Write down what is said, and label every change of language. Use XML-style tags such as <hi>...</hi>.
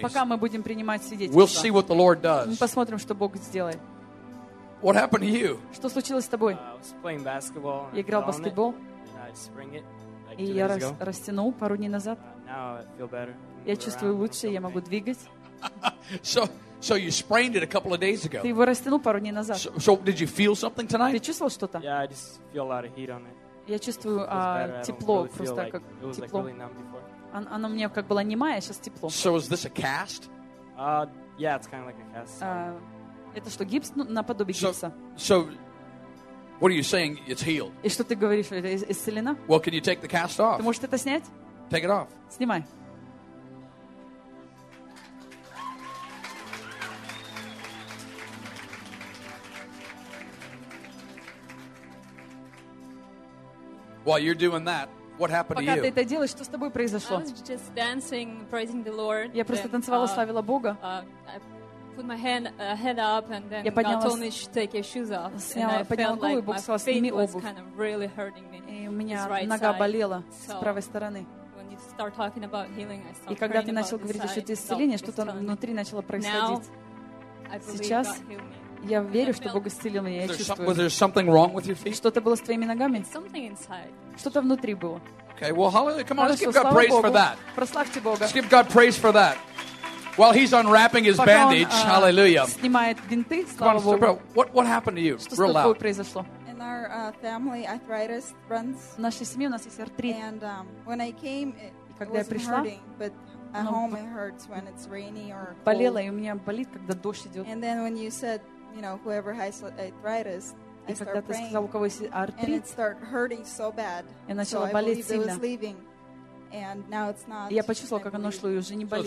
<ru>пока мы будем принимать свидетельства,</ru> <en>we'll see what the Lord does.</en> <ru>Мы посмотрим, что Бог сделает.</ru> <en>What happened to you?</en> <ru>Что случилось с тобой?</ru> <en>I was playing basketball.</en> <ru>Я играл в баскетбол.</ru> <en>I sprained it.</en> <ru>И я растянул пару дней назад.</ru> <en>Now I feel better.</en> <ru>Я чувствую лучше, я могу двигать.</ru> <en>So you sprained it a couple of days ago.</en> <ru>Ты его растянул пару дней назад.</ru> <en>So did you feel something tonight?</en> <ru>Ты чувствовал что-то?</ru> <en>Yeah, I just feel a lot of heat on it.</en> <ru>Я чувствую тепло, просто как тепло. Оно мне как было немое, сейчас тепло.</ru> <en>So is this a cast? Yeah, it's kind of like a cast.</en> <ru>Это что, гипс? Ну, наподобие гипса.</ru> <en>So, what are you saying? It's healed.</en> <ru>И что ты говоришь? Это исцелено?</ru> <en>Well, can you take the cast off?</en> <ru>Ты можешь это снять?</ru> <en>Take it off.</en> <ru>Снимай.</ru> <en>While you're doing that, what happened to you?</en> <ru>Пока ты это делаешь, что с тобой произошло?</ru> <en>I was just dancing, praising the Lord.</en> <ru>Я просто танцевала, славила Бога.</ru> <en>Put my head up, and then God told me to take your shoes off. And I felt like my feet was kind of really hurting me.</en> <ru>И у меня нога болела с правой стороны.</ru> <en>When you start talking about healing, I start praying.</en> <ru>И когда ты начал говорить о чудесах исцеления, что-то внутри начало происходить. Сейчас я верю, что Бог исцелил меня. Я чувствую.</ru> <en>Was there something wrong with your feet?</en> <ru>Что-то было с твоими ногами?</ru> <en>Something inside.</en> <ru>Что-то внутри было.</ru> <en>Okay, well, hallelujah! Come on, let's give God praise for that.</en> <ru>Прославьте Бога.</ru> <en>Let's give God praise for that. While he's unwrapping his bandage, hallelujah.</en> <ru>Снимает бинты, слава Богу.</ru> <en>What happened to you?</en> <ru>Что с тобой произошло?</ru> <en>In our family, arthritis runs.</en> <ru>В нашей семье у нас есть артрит.</ru> <en>And when I came, it was hurting, but at home it hurts when it's rainy or cold.</en> <ru>Болело, и у меня болит, когда дождь идет.</ru> <en>And then when you said, you know, whoever has arthritis,</en> <ru>и когда ты сказал, у кого есть артрит,</ru> <en>and it started hurting so bad.</en> <ru>И начало болеть сильно.</ru> <en>So I believed it was leaving. And now it's not.</en> <ru>Я почувствовала, как оно шло, и уже не болит.</ru>